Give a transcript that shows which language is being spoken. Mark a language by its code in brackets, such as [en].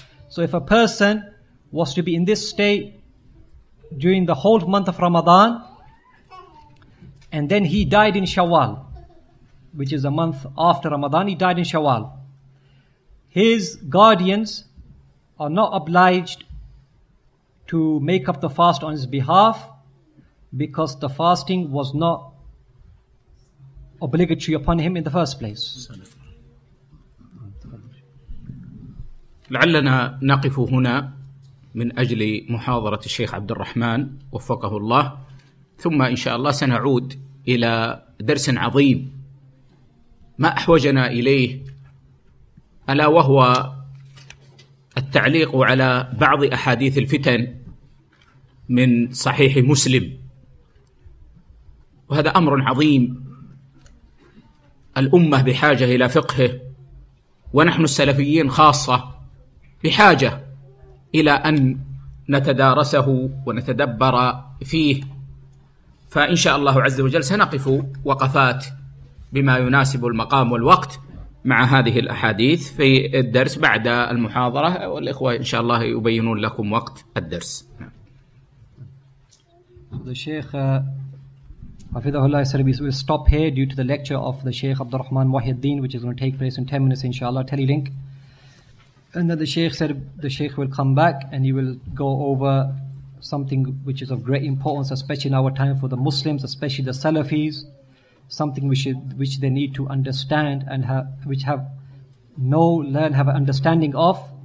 [en] So if a person was to be in this state during the whole month of Ramadan, and then he died in Shawwal, which is a month after Ramadan, he died in Shawwal, his guardians are not obliged to make up the fast on his behalf, because the fasting was not obligatory upon him in the first place. [ar] لعلنا نقف هنا من أجل محاضرة الشيخ عبد الرحمن وفقه الله، ثم إن شاء الله سنعود إلى درس عظيم ما أحوجنا إليه، ألا وهو التعليق على بعض أحاديث الفتن من صحيح مسلم، وهذا أمر عظيم، الأمة بحاجة إلى فقهه، ونحن السلفيين خاصة بحاجة إلى أن نتدارسه ونتدبر فيه. فإن شاء الله عز وجل سنقف وقفات بما يناسب المقام والوقت مع هذه الأحاديث في الدرس بعد المحاضرة، والإخوة إن شاء الله يبينون لكم وقت الدرس. الشيخ حفظه الله سيربيس [en] will stop here due to the lecture of the Sheikh Abdul Rahman Wahiddin, which is going to take place in 10 minutes inshallah, telelink. And then the Sheikh said the Sheikh will come back and he will go over something which is of great importance, especially in our time for the Muslims, especially the Salafis, something which they need to understand and have an understanding of.